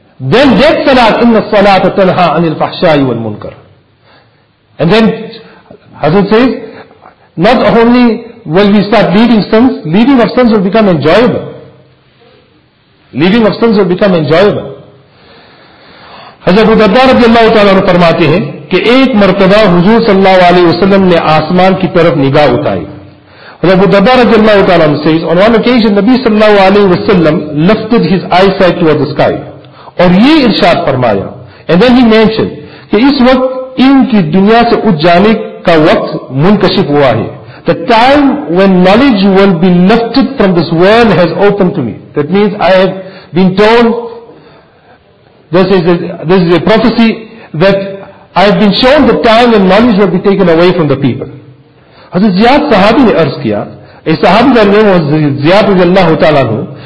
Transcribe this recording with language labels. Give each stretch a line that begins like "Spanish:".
English: Then that salah,
Arabic: inna salata tanha anil fahshai wal munkar.
English: And then Hazrat says, not only will we start leaving sins, leaving of sins will become enjoyable. Leaving of sins will become enjoyable.
Urdu: حضرت عبداللہ رضی اللہ تعالیٰ عنہ فرماتے ہیں کہ ایک مرتبہ حضور صلی اللہ علیہ وسلم نے آسمان کی طرف نگاہ اٹھائی.
English: حضرت عبداللہ رضی اللہ تعالیٰ عنہ says, on one occasion, نبی صلی اللہ علیہ وسلم lifted his eyesight towards the sky.
Urdu: اور یہ ارشاد فرمایا.
English: And then he mentioned
Urdu: کہ اس وقت ان کی دنیا سے اٹھ جانے کا وقت منکشف ہوا ہے.
English: The time when knowledge will be lifted from this world has opened to me. That means I have been told, This is a prophecy that I have been shown the time when knowledge will be taken away from the people.
Urdu: Hazrat Ziyad Sahabi ne arz kiya.
English: A Sahabi by name was Ziyad radiallahu ta'ala anhu.